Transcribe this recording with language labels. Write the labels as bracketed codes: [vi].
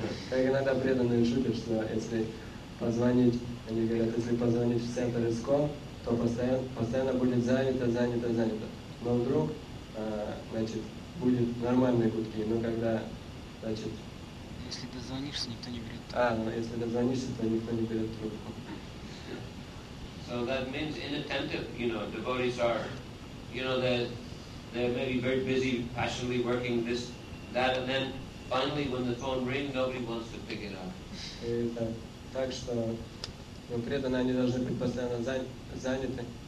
[ru] Как иногда преданные шутят, что если позвонить, они говорят, если позвонить в центр ИСКО, то постоянно будет занято. Но вдруг, значит, будет нормальные гудки, но когда, значит... Если дозвонишься, никто не берет трубку. Но если дозвонишься, то никто не берет трубку. [en] So that means inattentive, you know, devotees are, you know, they may be very busy, passionately working this, that, and then finally when the phone rings, nobody wants to pick it up. [ru] Так что, но при этом они должны быть постоянно заняты.